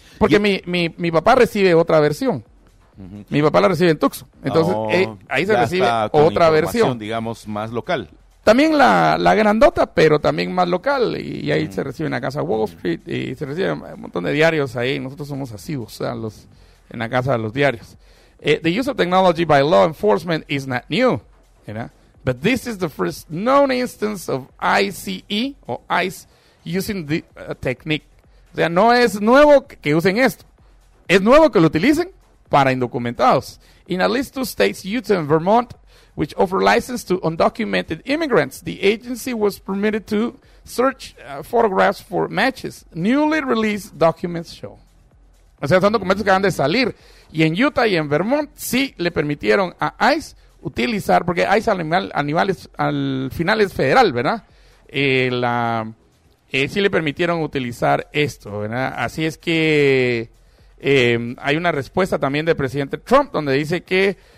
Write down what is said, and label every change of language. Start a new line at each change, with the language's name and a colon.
Spanish: Porque mi papá recibe otra versión. Uh-huh. Mi papá la recibe en Tucson, entonces ahí se recibe otra versión, digamos más local. También la grandota, pero también más local, y ahí se recibe en la casa Wall Street, y se recibe un montón de diarios ahí. Nosotros somos asiduos en la casa de los diarios.
English: The use of technology by law enforcement is not new, you know? But this is the first known instance of ICE or ICE using the technique.
Spanish: O sea, no es nuevo que usen esto, es nuevo que lo utilicen para indocumentados.
English: In at least 2 states, Utah and Vermont, which offer license to undocumented immigrants, the agency was permitted to search photographs for matches. Newly released documents show.
Spanish: O sea, son documentos que acaban de salir. Y en Utah y en Vermont, sí le permitieron a ICE utilizar, porque ICE al final es federal, ¿verdad? Sí le permitieron utilizar esto, ¿verdad? Así es que... hay una respuesta también del presidente Trump donde dice que